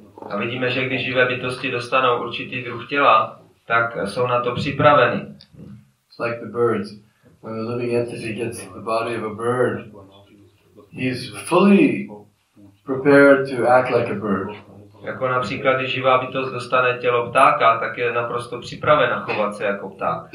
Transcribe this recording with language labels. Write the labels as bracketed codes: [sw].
[cs] A vidíme, že když živé bytosti dostanou určitý druh těla, tak jsou na to připraveni. [en] It's like the birds. When the living entity gets the body of a bird, he's fully prepared to act like a bird. [cs] Jako například, když živá bytost dostane tělo ptáka, tak je naprosto připravena chovat se jako pták.